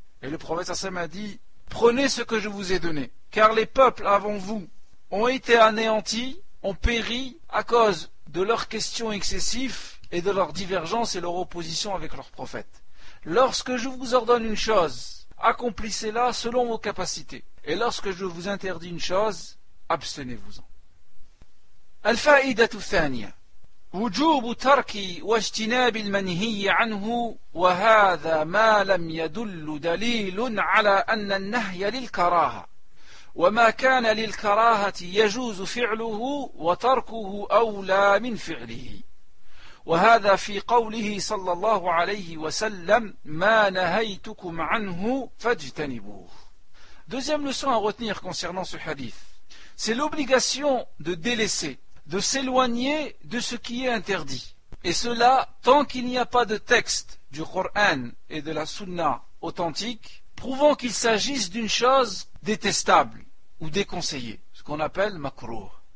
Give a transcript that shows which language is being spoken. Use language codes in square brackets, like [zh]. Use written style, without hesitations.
[fr] Et le prophète sallallahu alayhi wa sallam a dit: prenez ce que je vous ai donné, car les peuples avant vous ont été anéantis, ont péri à cause de leurs questions excessives et de leur divergence et leur opposition avec leur prophète. Lorsque je vous ordonne une chose, accomplissez-la selon vos capacités. Et lorsque je vous interdis une chose, abstenez-vous-en. [ar] الفائدة الثانية: وجوب ترك واجتناب المنهي عنه، وهذا ما لم يدل دليل على أن النهي للكراهة، وما كان للكراهة يجوز فعله وتركه أولى من فعله. وهذا في قوله صلى الله عليه وسلم: ما نهيتكم عنه فاجتنبوه. [fr] Deuxième leçon à retenir concernant ce hadith, c'est l'obligation de délaisser, de s'éloigner de ce qui est interdit. Et cela, tant qu'il n'y a pas de texte du Coran et de la Sunna authentique prouvant qu'il s'agisse d'une chose détestable ou déconseillée, ce qu'on appelle makruh.